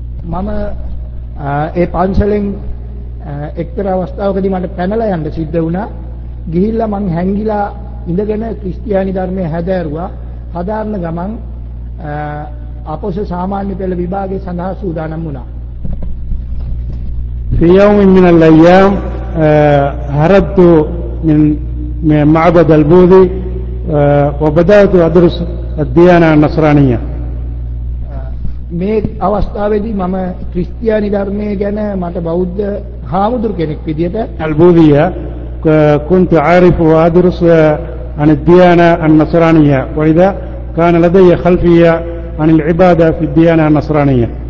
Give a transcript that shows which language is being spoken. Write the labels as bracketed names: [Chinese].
[Sinhala] මම ඒ පන්සලෙන් එක්තරා අවස්ථාවකදී මට පැනලා යන්න සිද්ධ වුණා. ගිහිල්ලා මං හැංගිලා ඉඳගෙන ක්‍රිස්තියානි ධර්මය හැදෑරුවා. හදාරන ගමන් අපොස සාමාන්‍ය පෙළ විභාගය සඳහා සූදානම් වුණා. [Arabic] في يوم من الأيام هربت من معبد البوذي وبدأت أدرس الديانة النصرانية. [Sinhala] මේ අවස්ථාවේදී මම ක්‍රිස්තියානි ධර්මයේ ගැන මට බෞද්ධ හාමුදුරු කෙනෙක් විදියට [Arabic] අල්බෝදිය كنت عارف وادرس عن الديانة النصرانية وإذا كان لدي خلفية عن العبادة في الديانة النصرانية.